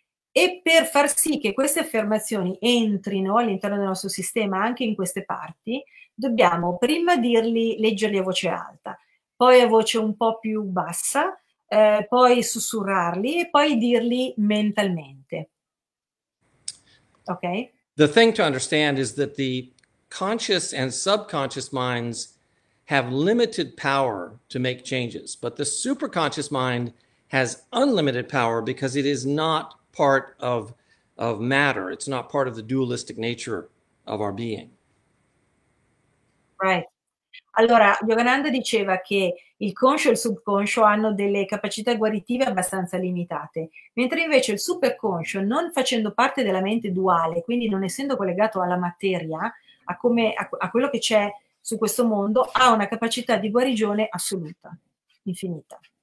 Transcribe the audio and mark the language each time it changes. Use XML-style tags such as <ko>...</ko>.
<it>E per far sì che queste affermazioni entrino all'interno del nostro sistema, anche in queste parti, dobbiamo prima dirli, leggerli a voce alta, poi a voce un po' più bassa, poi sussurrarli e poi dirli mentalmente. Ok?</it> <en>The thing to understand is that the conscious and subconscious minds have limited power to make changes, but the superconscious mind has unlimited power because it is not part of matter. It's not part of the dualistic nature of our being. Right.</en> <it>Allora, Yogananda diceva che il conscio e il subconscio hanno delle capacità guaritive abbastanza limitate, mentre invece il superconscio, non facendo parte della mente duale, quindi non essendo collegato alla materia, a quello che c'è su questo mondo, ha una capacità di guarigione assoluta, infinita.</it>